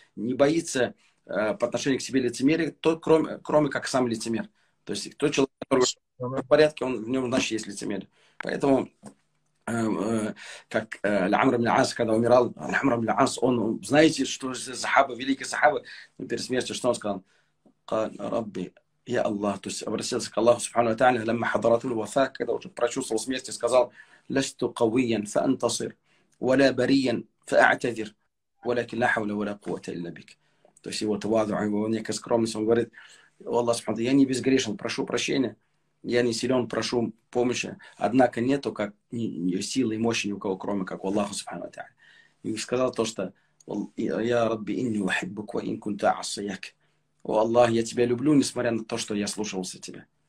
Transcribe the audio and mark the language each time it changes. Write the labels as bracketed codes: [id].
[ru] Не боится по отношению к себе лицемерие, тот, кроме как сам лицемер. То есть тот человек, который в порядке, он, в нем, значит, есть лицемерие. Поэтому как Амр ибн Ас, когда умирал, Амр ибн Ас, он, знаете, что сахаба, великий сахаба, перед смертью, что он сказал? [ar] قال ربي يا الله, [ru] то есть обратился к Аллаху [ar] سبحانه وتعالى, لما حضرت الوفاة, [ru] когда уже прочувствовал смерть, сказал, [ar] لست قويا فانتصر ولا بريا فاعتذر ولكن لا حول ولا قوة إلا بك. [ru] То есть его тавазу, его некая скромность, он говорит, о Аллах سبحانه, я не безгрешен, прошу прощения, я не силен, прошу помощи, однако нету как силы и мощи ни у кого, кроме как у Аллаха سبحانه وتعالى. И сказал то, что [ar] يا ربي إني أحبك وإن كنت أعصيك, [ru] о Аллах, я тебя люблю, несмотря на то, что я слушался тебя.